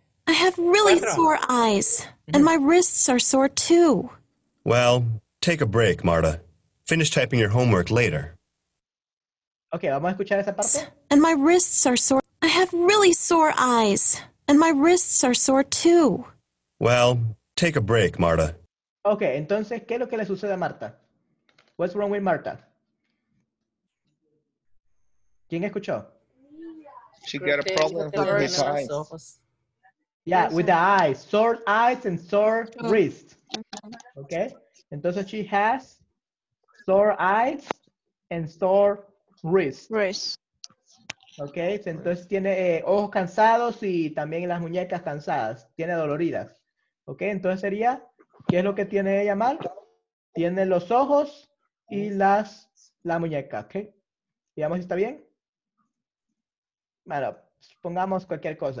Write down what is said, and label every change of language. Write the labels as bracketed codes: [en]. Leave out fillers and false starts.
[en] I have really sore eyes, and my wrists are sore too. Well, take a break, Marta. Finish typing your homework later. [es] Okay, vamos a escuchar esa parte. [en] And my wrists are sore. I have really sore eyes, and my wrists are sore too. Well, take a break, Marta. [es] Okay, entonces, ¿qué es lo que le sucede a Marta? [en] What's wrong with Marta? [es] ¿Quién escuchó? [en] She got a problem with her eyes. Yeah, with the eyes. Sore eyes and sore wrists. Okay, entonces, she has sore eyes and sore wrist. [es] Ok, entonces tiene ojos cansados y también las muñecas cansadas. Tiene doloridas. Ok, entonces sería, ¿qué es lo que tiene ella mal? Tiene los ojos y la muñeca. Ok, digamos si está bien. Bueno, pongamos cualquier cosa.